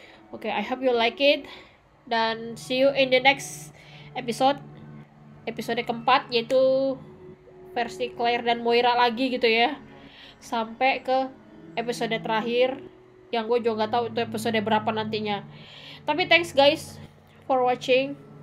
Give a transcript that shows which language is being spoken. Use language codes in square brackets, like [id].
[en] Oke, okay, I hope you like it dan see you in the next episode. [id] Episode keempat yaitu versi Claire dan Moira lagi gitu ya. Sampai ke episode terakhir yang gue juga gak tahu itu episode berapa nantinya. [en] Tapi thanks guys for watching.